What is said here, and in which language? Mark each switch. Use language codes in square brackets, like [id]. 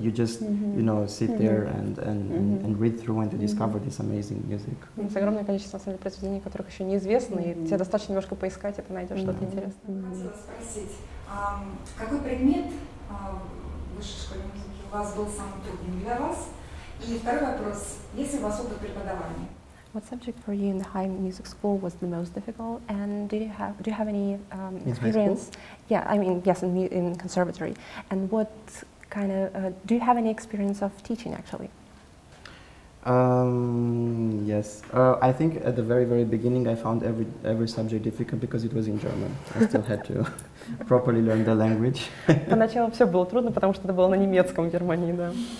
[en] You just, you know, sit there and read through and you discover this amazing music. [ru] С огромное количество произведений, которых еще неизвестны, и тебе достаточно немножко поискать, и ты найдешь что-то интересное. Хотела спросить, какой предмет в высшей школе музыки у вас был самым трудным для вас? И второй вопрос, есть ли у вас опыт преподавания? [en] What subject for you in the high music school was the most difficult, and do you have any experience? In conservatory. And what kind of do you have any experience of teaching actually? I think at the very very beginning I found every subject difficult because it was in German. I still had to properly learn the language. [ru] Поначалу все было трудно, потому что это было на немецком в Германии, да.